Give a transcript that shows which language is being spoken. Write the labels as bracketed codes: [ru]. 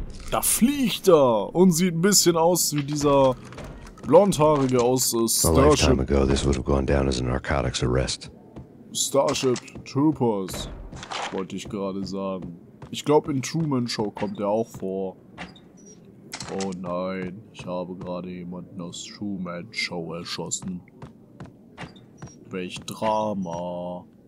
[de] Da fliegt er und sieht ein bisschen aus wie dieser... Blondhaarige aus Starship. [en] A lifetime ago, this would have gone down as a narcotics arrest. [de] Starship Troopers, wollte ich gerade sagen. Ich glaube, in Truman Show kommt er auch vor. Oh nein, ich habe gerade jemanden aus Truman Show erschossen. Welch Drama.